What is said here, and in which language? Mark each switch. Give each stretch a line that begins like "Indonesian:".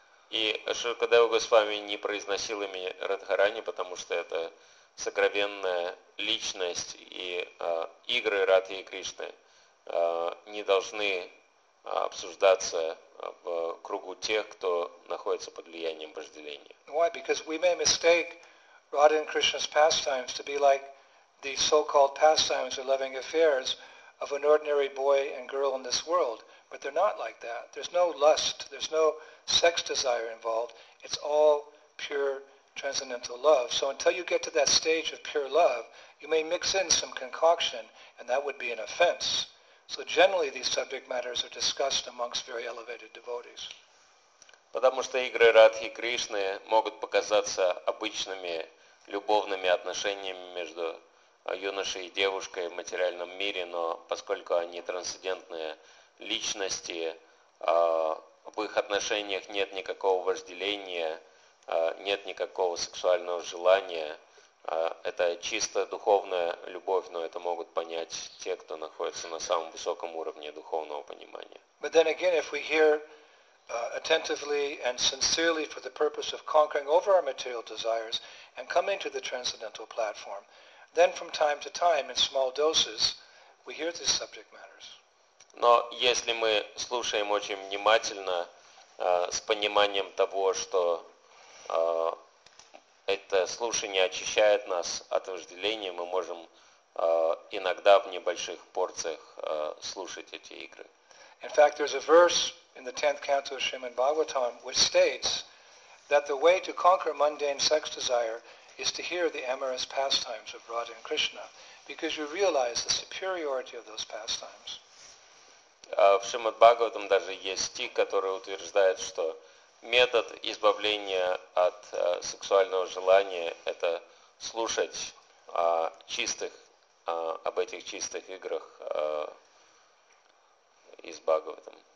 Russian: И Шукадева Госвами не произносил имя Радхарани, потому что это сокровенная личность, и игры Радхи и Кришны не должны обсуждаться в кругу тех, кто находится под влиянием вожделения.
English: Why? Because we may mistake Radha and Krishna's pastimes to be like the so-called pastimes or loving affairs of an ordinary boy and girl in this world. But they're not like that. There's no lust. There's no sex desire involved. It's all pure transcendental love. So until you get to that stage of pure love, you may mix in some concoction, and that would be an offense So generally these subject matters are discussed amongst very elevated devotees.
Russian: Потому что игры Радхи Кришны могут показаться обычными любовными отношениями между юношей и девушкой в материальном мире, но поскольку они трансцендентные личности, в их отношениях нет никакого вожделения, нет никакого сексуального желания, это чисто духовная любовь, но это могут понять те, кто находится на самом высоком уровне духовного понимания.
English: But then again, if we hear attentively and sincerely for the purpose of conquering over our material desires and coming to the transcendental platform, then from time to time, in small doses, we hear these subject matters.
Russian: Но если мы слушаем очень внимательно, с пониманием того, что это слушание очищает нас от вожделения, мы можем иногда в небольших порциях слушать эти игры.
English: In fact, there's a verse in the 10th canto of Srimad Bhagavatam which states that the way to conquer mundane sex desire is to hear the amorous pastimes of Radha and Krishna, because you realize the superiority of those pastimes.
Russian: В Шримад Бхагаватам даже есть стих, который утверждает, что метод избавления от сексуального желания – это слушать об этих чистых играх из Бхагаватам.